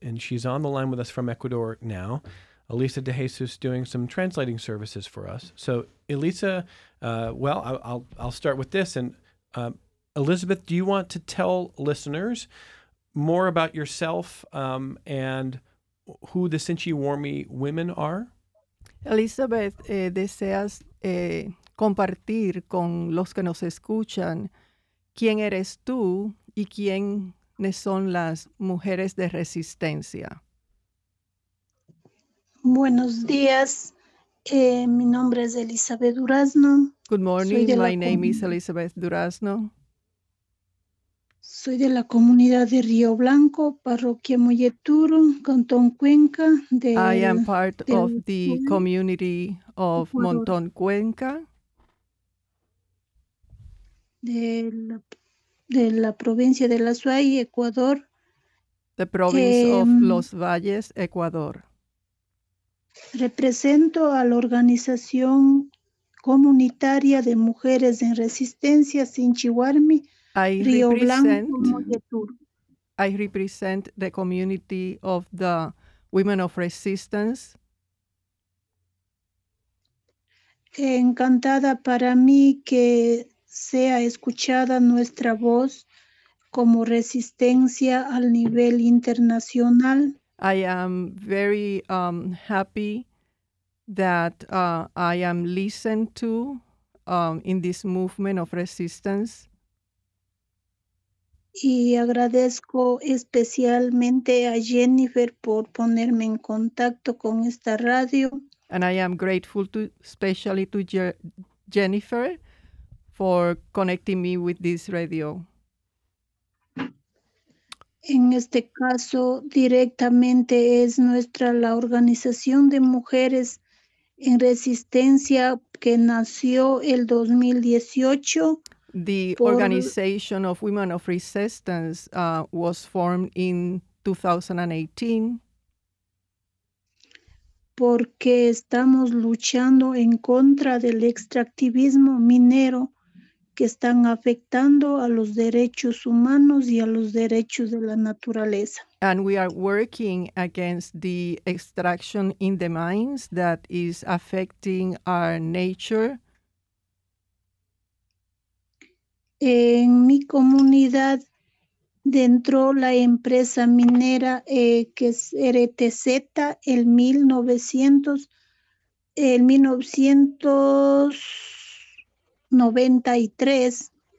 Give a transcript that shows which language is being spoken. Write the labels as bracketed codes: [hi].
[en] And she's on the line with us from Ecuador now. Elisa De Jesus doing some translating services for us. So Elisa, I'll start with this. And Elizabeth, do you want to tell listeners more about yourself and who the Senchi Warmi women are? [es] Elizabeth, deseas compartir con los que nos escuchan quién eres tú y quiénes son las mujeres de resistencia. Buenos días. Mi nombre es Elizabeth Durazno. [en] Good morning. My name is Elizabeth Durazno. [es] Soy de la comunidad de Río Blanco, parroquia Molleturo, Cantón Cuenca. [en] I am part of the community of Montón Cuenca. [es] De la provincia de Los Valles, Ecuador. [en] The province of Los Valles, Ecuador. [es] Represento a la organización comunitaria de mujeres en resistencia Sinchihuarmi, Río Blanco, [en] Molleturo. I represent the community of the women of resistance. [es] Encantada para mí que sea escuchada nuestra voz como resistencia al nivel internacional. [en] I am very happy that I am listened to in this movement of resistance. [es] Y agradezco especialmente a Jennifer por ponerme en contacto con esta radio. [en] And I am grateful to especially to Jennifer for connecting me with this radio. [es] En este caso, directamente es nuestra la organización de mujeres en resistencia que nació el 2018. [en] The Organization of Women of Resistance was formed in 2018. [es] Porque estamos luchando en contra del extractivismo minero que están afectando a los derechos humanos y a los derechos de la naturaleza. [en] And we are working against the extraction in the mines that is affecting our nature. [es] En mi comunidad, dentro la empresa minera que es RTZ, el 1993.